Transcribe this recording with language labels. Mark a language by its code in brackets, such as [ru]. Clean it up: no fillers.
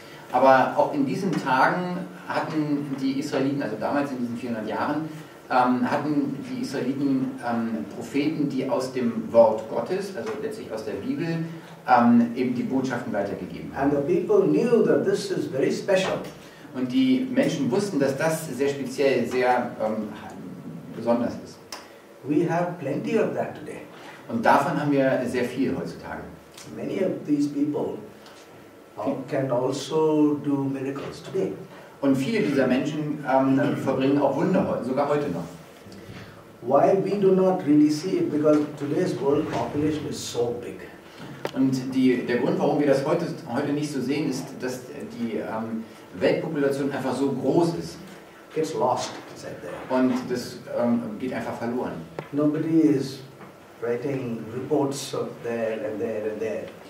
[de] Aber auch in diesen Tagen hatten die Israeliten, also damals in diesen 400 Jahren, hatten die Israeliten Propheten, die aus dem Wort Gottes, also letztlich aus der Bibel, eben die Botschaften weitergegeben haben. [en] And the people knew that this is very special. [de] Und die Menschen wussten, dass das sehr speziell, sehr besonders ist. [en] We have plenty of that today. [de] Und davon haben wir sehr viel heutzutage. [en] Many of these people can also do miracles today. [de] Und viele dieser Menschen verbringen auch Wunder sogar heute noch. [en] Why we do not really see it? Because today's world population is so big. [de] Und der Grund, warum wir das heute nicht so sehen, ist, dass die Weltpopulation einfach so groß ist. [en] Gets lost, said there. [de] Und das geht einfach verloren. [en] Nobody is writing reports of there and there and there.